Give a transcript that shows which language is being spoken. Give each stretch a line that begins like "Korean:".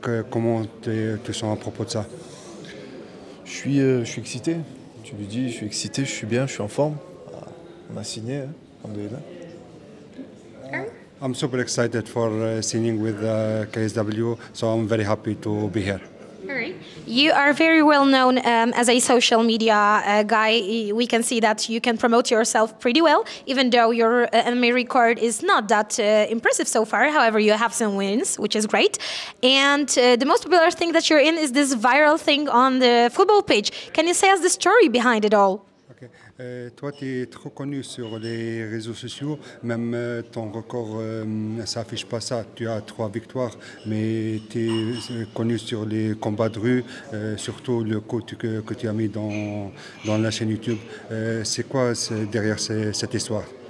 French: Comment tu te sens à propos de ça? Je suis excité. Tu lui dis, je suis excité, je suis bien, je suis en forme. On a signé, alhamdulillah.
English: I'm super excited for signing with KSW, so I'm very happy to be here. You are very well known as a social media guy. We can see that you can promote yourself pretty well, even though your MMA record is not that impressive so far. However, you have some wins, which is great. And the most popular thing that you're in is this viral thing on the football pitch. Can you say us the story behind it all? Okay.
French: Toi, tu es trop connu sur les réseaux sociaux. Même ton record ne s'affiche pas ça. Tu as 3 victoires, mais tu es connu sur les combats de rue, surtout le coach que tu as mis dans la chaîne YouTube. C'est quoi derrière cette histoire?